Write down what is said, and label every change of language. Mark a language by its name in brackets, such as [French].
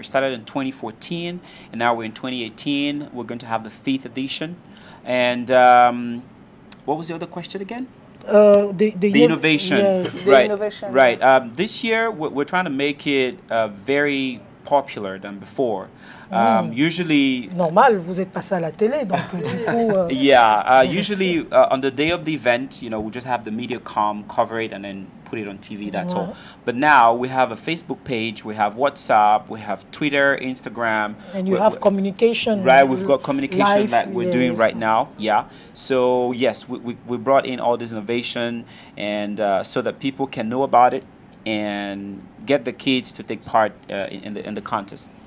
[English] It started in 2014, and now we're in 2018. We're going to have the fifth edition. And what was the other question again? The innovation. Yes. Right. The innovation. Right. This year, we're trying to make it very popular than before. Usually, [French] normal, vous êtes passé à la télé, donc du coup. [English] Usually, on the day of the event, you know, we just have the media come cover it and then put it on TV. That's all. But now we have a Facebook page, we have WhatsApp, we have Twitter, Instagram, and you have communication. Right, we've got communication life, like we're doing right now. Yeah. So yes, we brought in all this innovation, and so that people can know about it and get the kids to take part in the contest.